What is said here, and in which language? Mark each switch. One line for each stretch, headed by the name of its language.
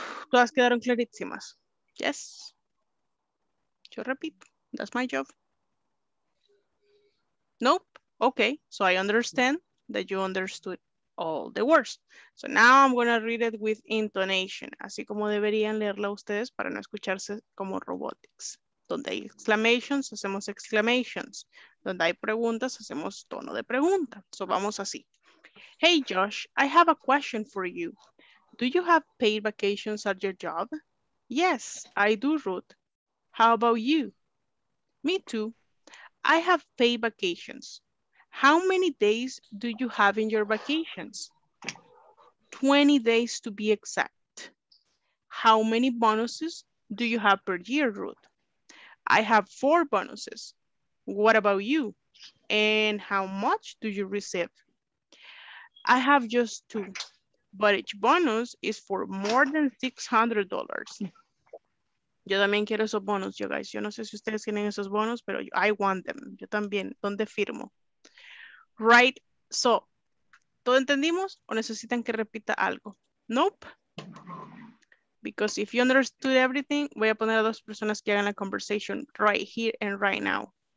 Spanish: Todas quedaron clarísimas.
English: Yes.
Spanish: Yo repito.
English: That's my job. Nope. Okay. So I understand that you understood all the words. So now I'm going to read it with intonation.
Spanish: Así como deberían leerla ustedes para no escucharse como robotics. Donde hay exclamations, hacemos exclamations. Donde hay preguntas, hacemos tono de pregunta. So vamos así.
English: Hey Josh, I have a question for you. Do you have paid vacations at your job? Yes, I do, Ruth. How about you? Me too. I have paid vacations. How many days do you have in your vacations? 20 days to be exact. How many bonuses do you have per year, Ruth? I have 4 bonuses. What about you? And how much do you receive? I have just 2, but each bonus is for more than $600.
Spanish: Yo también quiero esos bonos,
English: you guys.
Spanish: Yo no sé si ustedes tienen esos bonos, pero
English: I want them.
Spanish: Yo también. ¿Dónde firmo? Right. So, ¿todo entendimos? ¿O necesitan que repita algo?
English: Nope. Because if you understood everything,
Spanish: voy a poner a dos personas que hagan la
English: conversation right here and right now.